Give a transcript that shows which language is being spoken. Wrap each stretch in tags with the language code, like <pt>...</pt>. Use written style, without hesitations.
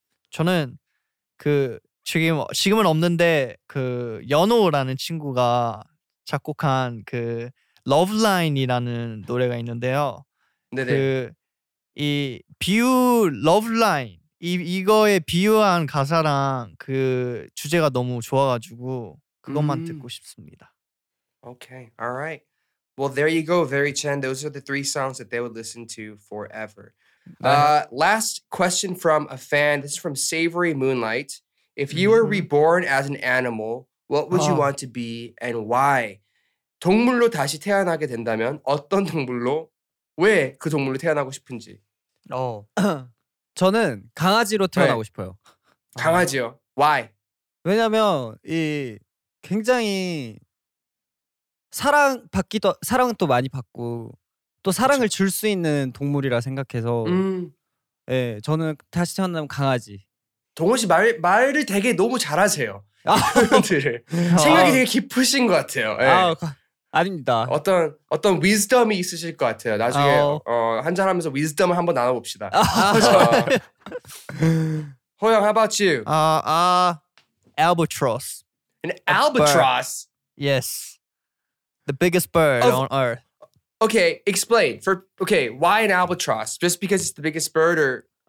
<ko>저는 그 지금은 없는데 그 연호라는 친구가 작곡한 그 Love Line이라는 노래가 있는데요. 네네. 그 이 비유 Love Line 이거에 비유한 가사랑 그 주제가 너무 좋아가지고. 그것만 듣고 싶습니다.</ko> <en>Okay, all right. Well, there you go, Very Chen. Those are the three songs that they would listen to forever. Last question from a fan. This is from Savory Moonlight. If you were reborn as an animal, what would you want to be and why?</en> <ko>동물로 다시 태어나게 된다면 어떤 동물로 왜 그 동물로 태어나고 싶은지. 어, 저는 강아지로 태어나고 네. 싶어요. 강아지요.</ko> <en>Why?</en> <ko>왜냐면 이 굉장히 사랑도 많이 받고 또 사랑을 줄 수 있는 동물이라 생각해서 예, 저는 다시 태어나면 강아지. 동훈 씨 말을 되게 너무 잘하세요. 아, 표현들을. 생각이 되게 깊으신 것 같아요. 예. 아닙니다. 어떤 위즈덤이 있으실 것 같아요. 나중에 한잔하면서 위즈덤을 한번 나눠봅시다.</ko> <en>호영, how about you? Albatross. An albatross? Bird. Yes. The biggest bird on Earth. Okay, explain. Okay, why an albatross? Just because it's the biggest bird or...</en>